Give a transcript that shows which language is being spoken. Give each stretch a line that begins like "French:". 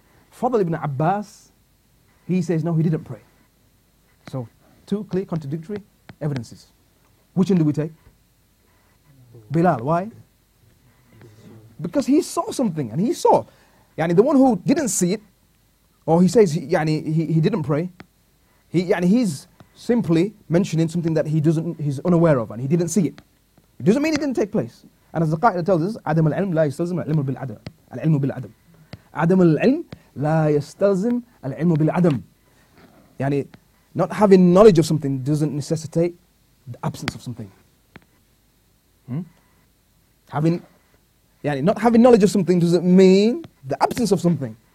English: Fadl ibn Abbas, he says, no, he didn't pray. So, two clear contradictory evidences. Which one do we take? Bilal, why? Because he saw something, and he saw. Yani the one who didn't see it, or he says he didn't pray, he's simply mentioning something that he's unaware of, and he didn't see it. It doesn't mean it didn't take place. And as the Qa'idah tells us,
Arabic: عدم العلم لا يستلزم العلم بالعدم.
English: العلم بالعدم.
Arabic: عدم العلم لا يستلزم العلم بالعدم.
English: Yani not having knowledge of something doesn't necessitate the absence of something. Not having knowledge of something doesn't mean the absence of something.